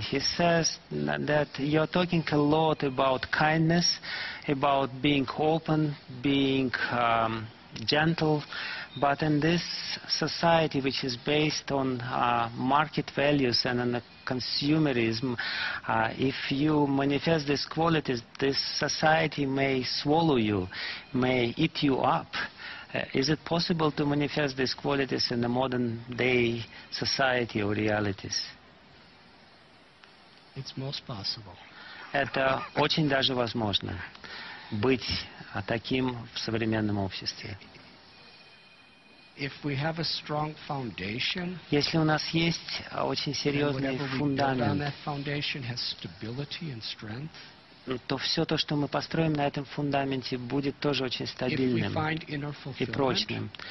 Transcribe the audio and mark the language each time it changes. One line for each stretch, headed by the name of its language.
English: He says that you're talking a lot about kindness, about being open, being gentle, but in this society which is based on market values and on consumerism, if you manifest these qualities, this society may swallow you, may eat you up. Is it possible to manifest these qualities in the modern day society or realities? It's most possible.
Russian: Это очень даже возможно быть таким в современном обществе.
English: If we have a strong foundation,
Russian: если у нас есть очень серьезный фундамент,
English: then whatever we build on that foundation has stability and strength.
Russian: То все то, что мы построим на этом фундаменте, будет тоже очень стабильным и прочным.